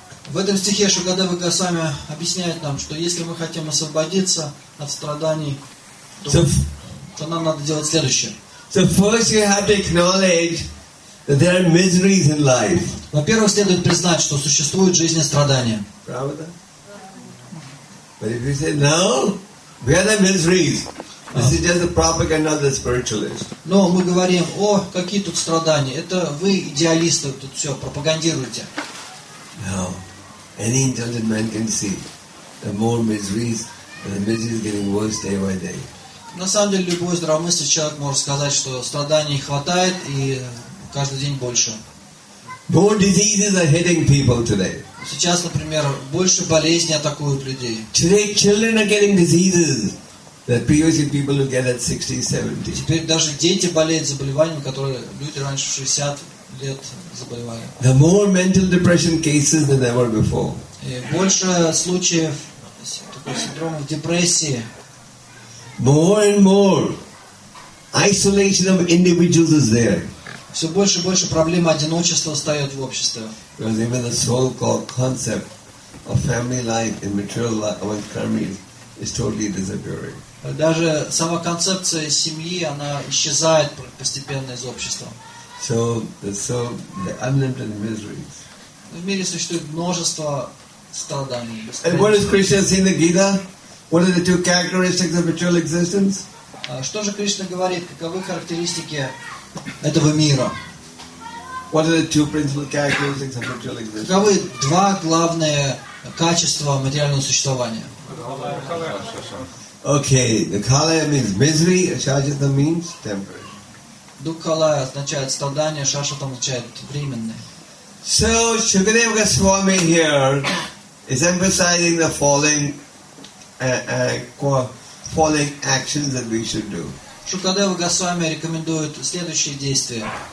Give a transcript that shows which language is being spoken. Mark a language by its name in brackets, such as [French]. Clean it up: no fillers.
[Russian] В этом стихе Шукадева Госвами объясняет нам, что если мы хотим освободиться от страданий, то нам надо делать следующее. [English] So first you have to acknowledge that there are miseries in life. [Russian] Во-первых, следует признать, что существует жизнь и страдания. Правда? [English] But if you say no, where are the miseries? This is just a propaganda of the spiritualist. [Russian] Но мы говорим, о, какие тут страдания. Это вы, идеалисты, тут все пропагандируете. [English] No. Any intelligent man can see the more miseries, the misery is getting worse day by day. [Russian] На самом деле, любой здравомыслящий человек может сказать, что страданий хватает и каждый день больше. [English] More diseases are hitting people today. [Russian] Сейчас, например, больше болезней атакуют людей. [English] Today children are getting diseases that previously people would get at 60-70. [Russian] Теперь даже дети болеют заболеваниями, которые люди раньше 60 лет заболевали. [English] The more mental depression cases than ever before. [Russian] И больше случаев такого синдрома депрессии. [English] More and more isolation of individuals is there. [Russian] Все больше и больше проблем одиночества встает в обществе. [English] Because even the so-called concept of family life in material life among karmis is totally disappearing. [Russian] Даже сама концепция семьи, она исчезает постепенно из общества. [English] So the unlimited miseries. [Russian] В мире существует множество страданий. [English] And what does Krishna say in the Gita? What are the two characteristics of material existence? [Russian] Что же Кришна говорит? Каковы характеристики этого мира? [English] What are the two principal characteristics of material existence? [Russian] Каковы два главные качества материального существования? [English] Okay, the kalaya means misery, ashashatam means temporary. [Russian] Дух калая означает страдание, шашатам означает временное. [English] So Shukadeva Goswami here is emphasizing the following following actions that we should do. [Russian] Шукадева Госвами рекомендует следующие действия.